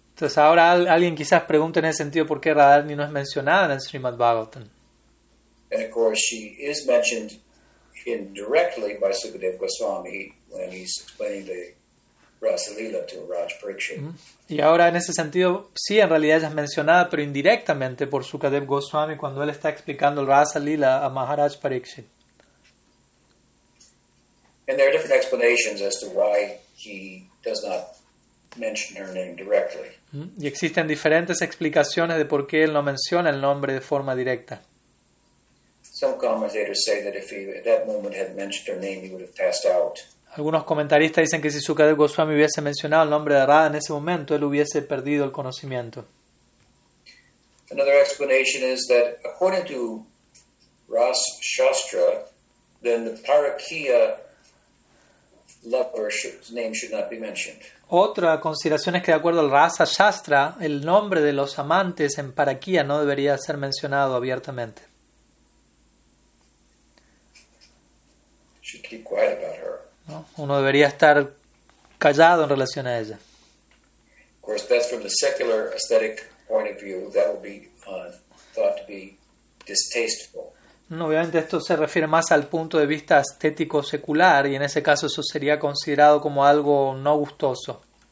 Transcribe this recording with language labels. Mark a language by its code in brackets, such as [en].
[es] Entonces ahora alguien quizás pregunte en ese sentido por qué Radharani no es mencionada en el Srimad Bhagavatam. [en] And of course she is mentioned indirectly by Sukadeva Goswami when he's explaining the Rasa-lila to Raj Pariksit. Mm-hmm. [es] Y ahora en ese sentido, sí, en realidad ella es mencionada, pero indirectamente por Sukadeva Goswami cuando él está explicando el Rasa-lila a Maharaj Pariksit. [en] And there are different explanations as to why he does not mention her name directly. Mm-hmm. [es] Y existen diferentes explicaciones de por qué él no menciona el nombre de forma directa. [en] Some commentators say that if he at that moment had mentioned her name, he would have passed out. [es] Algunos comentaristas dicen que si Sukadeva Goswami hubiese mencionado el nombre de Radha en ese momento, él hubiese perdido el conocimiento. [en] Another explanation is that according to Ras Shastra, then the Parakya lover's name should not be mentioned. [es] Otra consideración es que de acuerdo al Rasa Shastra, el nombre de los amantes en Parakya no debería ser mencionado abiertamente. [en] Should keep quiet about her. [es] ¿No? Uno debería estar callado en relación a ella. [en] Of course, that's from the secular aesthetic point of view, that would be thought to be distasteful. [es] No, obviamente esto se refiere más al punto de vista estético secular y en ese caso eso sería considerado como algo no gustoso.